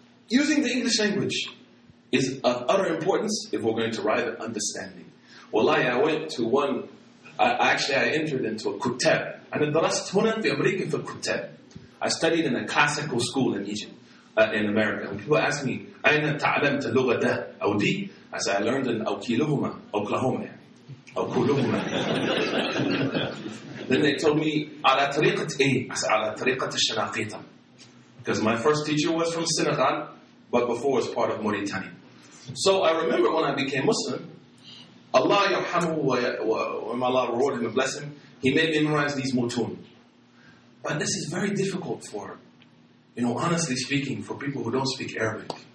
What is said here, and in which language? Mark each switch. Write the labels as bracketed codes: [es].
[en] Using the English language is of utter importance if we're going to arrive at understanding. Wallahi, I went to one, I entered into a kutab. And in the last 20 American for kutab, I studied in a classical school in Egypt, in America. When people ask me, [ar] أين تعلمت لغة ده أو دي? [en] I said, I learned in Oklahoma, Oklahoma. Then they told me, [ar] على طريقة إيه? [en] I said, [ar] على طريقة الشناقيطة. [en] Because my first teacher was from Senegal, but before was part of Mauritania. So I remember when I became Muslim, Allah yarhamu wa Allah reward him and bless him, he made me memorize these mutun. But this is very difficult for, you know, honestly speaking, for people who don't speak Arabic.